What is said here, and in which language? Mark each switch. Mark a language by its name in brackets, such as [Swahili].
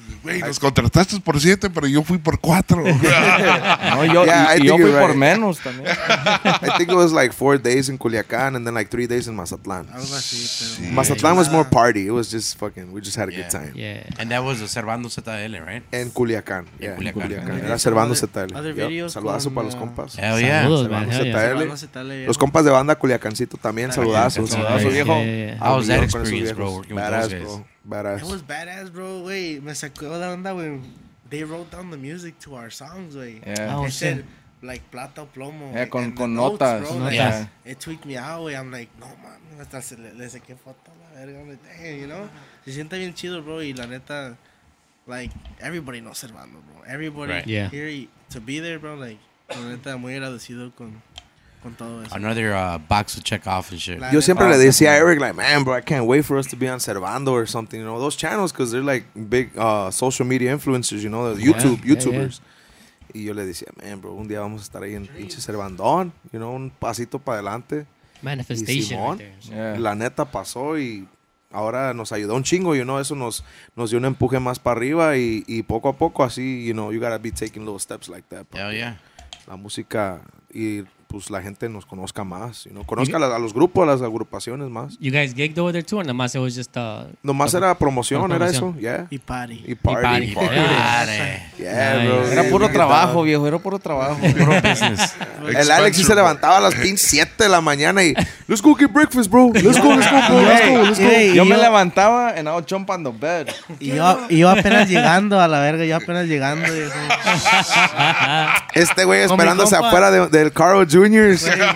[Spanish] Güey, nos contrataste por 7, pero yo fui por 4. No, yo fui por menos también. [English] I think it was like 4 days in Culiacán and then like 3 days in Mazatlán. [Spanish] Algo así, pero... [English] Mazatlán was more party. It was just fucking... We just had a good time. Yeah. And that was Observando ZL, right? [Spanish] En Culiacán. Yeah, era Servando ZL. Saludazo para los compas. [English] Hell yeah. [Spanish] Saludos, man. [English] Hell yeah. [Spanish] Los compas de banda Culiacancito también. Saludazo. Saludazo, viejo. [English] How was that experience, bro? Badass. It was badass, bro. [Spanish] Wey, me sacó la onda [English] when they wrote down the music to our songs, wey. Yeah. They said, like, [Spanish] plata o plomo. Yeah, con notas. [English] It tweaked me out, wey. I'm like, no, man. [Spanish] Hasta le saqué foto, la verga. [English] Damn, you know? [Spanish] Se siente bien chido, bro. Y la neta... [English] Like, everybody knows Servando, bro. Everybody here to be there, bro. [Spanish] Like, la neta, muy agradecido con todo eso. [English] Another box to check off and shit. Yo siempre le decía a Eric, like, man, bro, I can't wait for us to be on Servando or something. You know, those channels, because they're like big social media influencers, you know, the YouTubers. [Spanish] Y yo le decía, [English] man, bro, [Spanish] un día vamos a estar ahí en pinche Servandón. You know, un pasito para adelante. [English] Manifestation. [Spanish] Simón, [English] right there, [Spanish] so. Yeah. La neta pasó y... Ahora nos ayudó un chingo, you know, eso nos dio un empuje más para arriba y poco a poco así, you know, [English] you gotta be taking little steps like that. Hell yeah. [Spanish] La música y pues la gente nos conozca más, [English] you know, [Spanish] conozca a los grupos, a las agrupaciones más. [English] You guys gigged over there too or [Spanish] nomás [English] it was just a... [Spanish] Nomás era promoción, era eso, yeah. Y party. [English] Yeah, yeah, bro. [Spanish] Era puro trabajo, viejo, era puro trabajo. Puro business. El Alex se levantaba a las 7 de la mañana y... [English] Let's go get breakfast, bro. Let's go. [Spanish] Yo me levantaba [English] and I would jump on the bed. [Spanish] Y yo apenas llegando a la verga, y eso. Este güey esperándose afuera del Carl Jr.'s.